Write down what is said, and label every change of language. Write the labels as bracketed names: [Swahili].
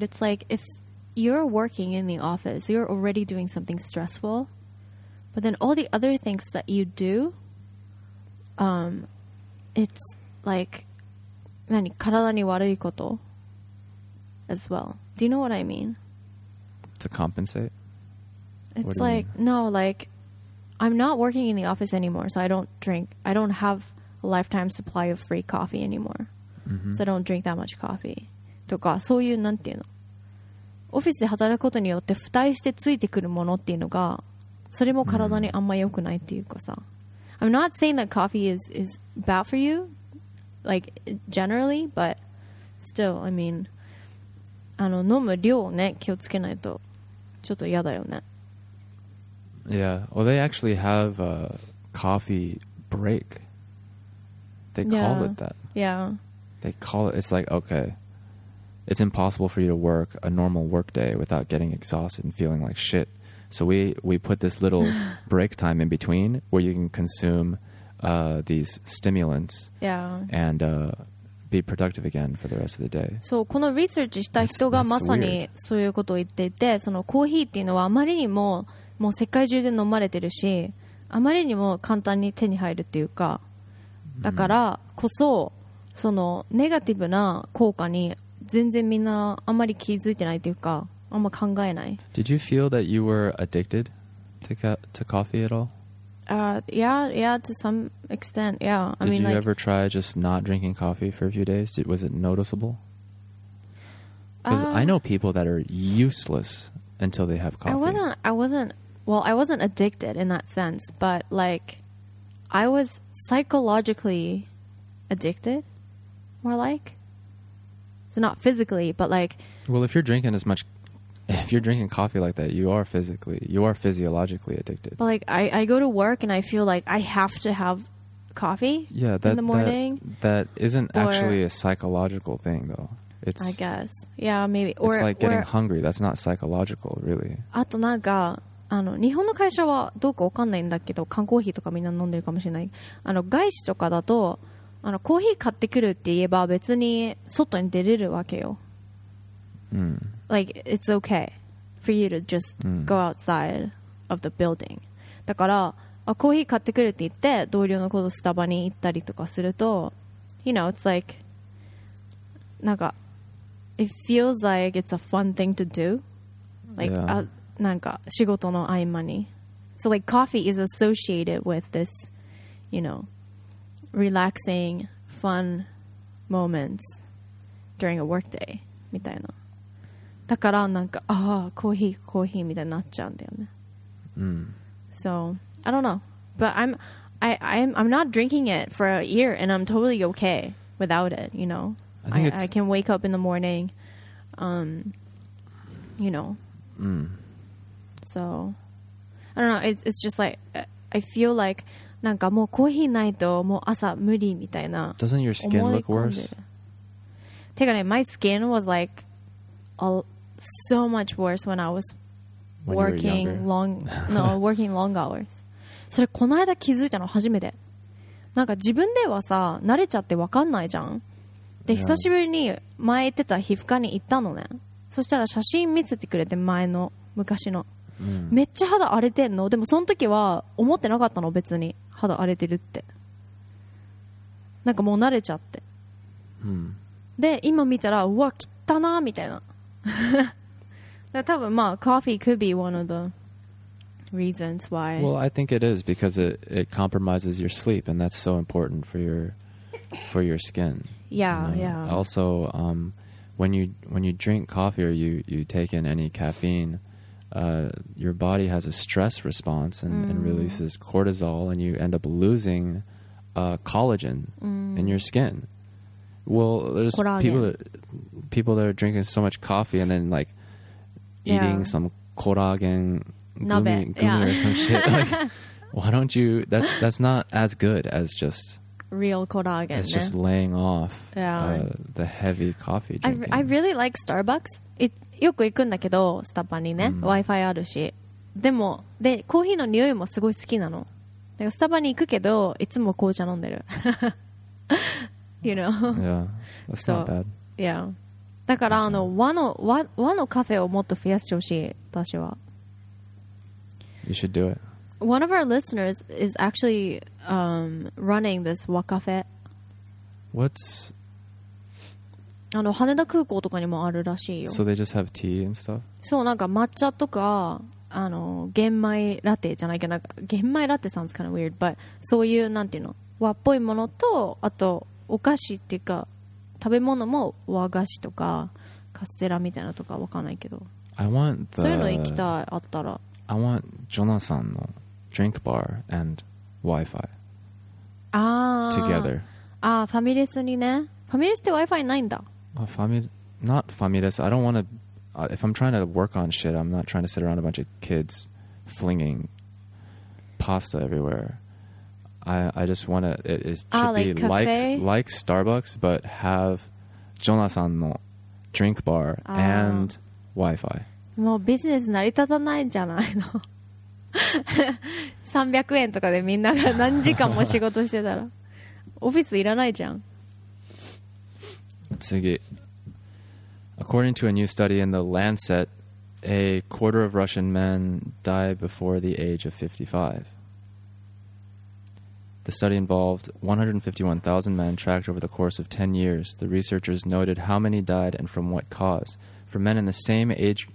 [English] It's like if you're working in the office, you're already doing something stressful, but then all the other things that you do, it's like [Japanese] 体に悪いこと [English] as well. Do you know what I mean? To compensate? It's like, no, like I'm not working in the office anymore, so I don't have a lifetime supply of free coffee anymore. Mm-hmm. So I don't drink that much coffee. [Japanese] とかそういうなんていうの、オフィスで働くことによって付帯してついてくるものっていうのが、それも体にあんま良くないっていうかさ。 [English] I'm not saying that coffee is bad for you, like generally, but still, I mean, [Japanese] 飲む量をね気をつけないとちょっと嫌だよね。 [English] Yeah, well, they actually have a coffee break. They call it that. Yeah. They call it, it's like, okay, it's impossible for you to work a normal work day without getting exhausted and feeling like shit. So we put this little break time in between where you can consume these stimulants and be productive again for the rest of the day. [Japanese] そう、このリサーチした人がまさにそういうことを言っていて、そのコーヒーっていうのはあまりにももう世界中で飲まれてるし、あまりにも簡単に手に入るっていうか、だからこそ、そのネガティブな効果に全然みんなあんまり気づいてないというか、あんま考えない。 [English] Did you feel that you were addicted to coffee at all? Yeah, to some extent, yeah. Did you ever try just not drinking coffee for a few days? Was it noticeable? Because I know people that are useless until they have coffee. I wasn't addicted in that sense, but like I was psychologically addicted. More like, so not physically, but like. Well, if you're drinking coffee like that, you are physiologically addicted. But like, I go to work and I feel like I have to have coffee. Yeah, that, in the morning. That isn't actually a psychological thing, though. It's. I guess. Yeah, maybe. It's like getting hungry. That's not psychological, really. [Japanese] あとなんか日本の会社はどうかわかんないんだけど、缶コーヒーとかみんな飲んでるかもしれない。外資とかだと。コーヒー買ってくるって言えば別に外に出れるわけよ、 mm. [English] Like it's okay for you to just、mm. go outside of the building. [Japanese] だからコーヒー買ってくるって言って同僚のことスタバに行ったりとかすると、 [English] You know it's like [Japanese] なんか [English] It feels like it's a fun thing to do. Like、 yeah. [Japanese] なんか仕事の合間に。 [English] So like coffee is associated with this, you know, relaxing, fun moments during a work day [Japanese] みたいな。だからなんか、ああ、コーヒー、コーヒーみたいになっちゃうんだよね。 Mm. [English] So, I don't know. But I'm not drinking it for a year and I'm totally okay without it, you know? I can wake up in the morning, you know? Mm. So, I don't know. It's just like, I feel like, [Japanese] なんかもうコーヒーないともう朝無理みたいな。 [English] Doesn't your skin look worse? [Japanese] てかね、 [English] my skin was like,so much worse when I was working long hours. [Japanese] それこの間気づいたの初めて。なんか自分ではさ慣れちゃって分かんないじゃん。で、 [English] yeah. [Japanese] 久しぶりに前行ってた皮膚科に行ったのね。そしたら写真見せてくれて前の昔の、mm. めっちゃ肌荒れてんの。でもその時は思ってなかったの別に肌荒れてるって。なんかもう慣れちゃって、 mm. で今見たらうわ汚なみたいな。多分まあ [English] coffee could be one of the reasons why. Well, I think it is because it compromises your sleep, and that's so important for your skin. Yeah, you know? Yeah. Also, when you drink coffee or you take in any caffeine, your body has a stress response and releases cortisol, and you end up losing collagen in your skin. Well, there's people that are drinking so much coffee and then like eating some collagen gumi or some shit. Like, why don't you? That's not as good as just real collagen. It's just laying off the heavy coffee drinking. I really like Starbucks. [Japanese] よく行くんだけど、スタバにね、Wi-Fi あるし。でも、で、コーヒーの匂いもすごい好きなの。だからスタバに行くけど、いつも紅茶飲んでる。 [English] You know? Yeah, that's not bad. Yeah. [Japanese] だからあの和のカフェをもっと増やしてほしい私は。 [English] You should do it. One of our listeners is actually running this 和カフェ。 What's? [Japanese] あの羽田空港とかにもあるらしいよ。 [English] So they just have tea and stuff? [Japanese] そうなんか抹茶とかあの玄米ラテじゃないけどなんか玄米ラテ [English] sounds kind of weird, but [Japanese] そういうなんていうの和っぽいものとあとお菓子っていうか。食べ物も和菓子とかカステラみたいなとかわかんないけど。 [English] I want the, [Japanese] そういうの行きたいあったら。 [English] I want Jonathan の drink bar and Wi-Fi together. [Japanese] ああ、ファミレスにね。ファミレスって Wi-Fi ないんだ。 [English] Not Familes. I don't want to. If I'm trying to work on shit, I'm not trying to sit around a bunch of kids flinging pasta everywhere. I just want to, it should be like Starbucks, but have Jonathan の drink bar and Wi-Fi. [Japanese] もうビジネス成り立たないんじゃないの。 300円とかでみんなが何時間も仕事してたら。オフィスいらないじゃん。次。 [English] According to a new study in The Lancet, a quarter of Russian men die before the age of 55. The study involved 151,000 men tracked over the course of 10 years. The researchers noted how many died and from what cause. For men in the same age...